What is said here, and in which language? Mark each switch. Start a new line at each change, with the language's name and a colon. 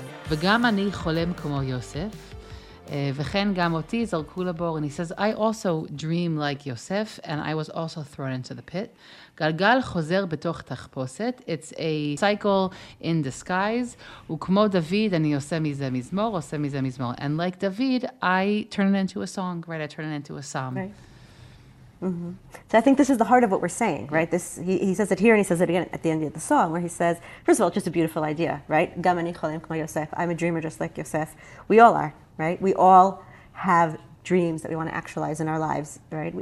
Hebrew: וגם אני חולם כמו יוסף, וכן גם אותי זרקו לבור.
English: And he says, I also dream like Yosef, and I was also thrown into the pit.
Hebrew: גלגל חוזר בתוך תחפושת.
English: It's a cycle in disguise.
Hebrew: וכמו דוד, אני עושה מזה מזמור, עושה מזה מזמור.
English: And like David, I turn it into a song, right? I turn it into a psalm. Mm-hmm. So I think this is the heart of what we're saying, right? This he says it here, and he says it again at the end of the song, where he says, first of all, just a beautiful idea, right?
Hebrew: Gam ani cholem kmo Yosef.
English: I'm a dreamer just like Yosef. We all are, right? We all have dreams that we want to actualize in our lives, right?